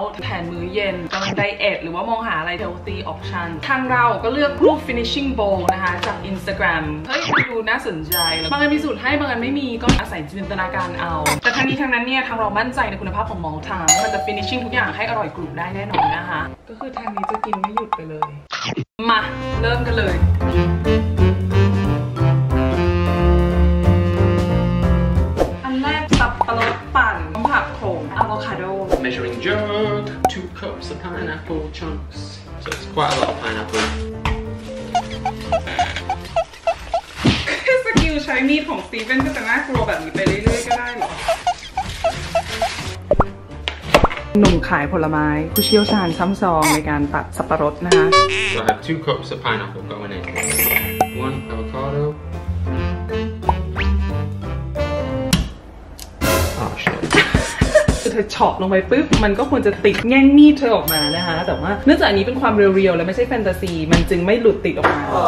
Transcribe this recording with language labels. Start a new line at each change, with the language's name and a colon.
Thai: แทนมื้อเย็นกำลังไดเอทหรือว่ามองหาอะไรเฮลตี้ออปชันทางเราก็เลือกรูปฟินิชชิ่งโบว์นะคะจากอินสตาแกรมเฮ้ยดูน่าสนใจบางอันมีสูตรให้บางอันไม่มีก็อาศัยจินตนาการเอาแต่ทางนี้ทางนั้นเนี่ยทางเรามั่นใจในคุณภาพของมอลทานมันจะฟินิชชิ่งทุกอย่างให้อร่อยกรุบได้แน่นอนนะคะก็คือทางนี้จะกินไม่หยุดไปเลยมาเริ่มกันเลยอันแรกสับปะรดปั่นผักโขมอะโวคาโด
English: measuring jug 2 cups of pineapple chunks so it's quite a lot of pineapple
Thai: สกิลใช้มีดของสตีเฟนก็จะน่ากลัวแบบนี้ไปเรื่อยๆก็ได้หรอ หนุ่มขายผลไม้ผู้เชี่ยวชาญซ้ำซองในการตัดสับปะรดนะคะ
English: So I have 2 cups of pineapple going in 1 avocado Oh shit
Thai: คือเธอช็อตลงไปปุ๊บมันก็ควรจะติดแง่งมีดเธอออกมานะคะแต่ว่าเนื่องจากอันนี้เป็นความเรียลๆและไม่ใช่แฟนตาซีมันจึงไม่หลุดติดออกมา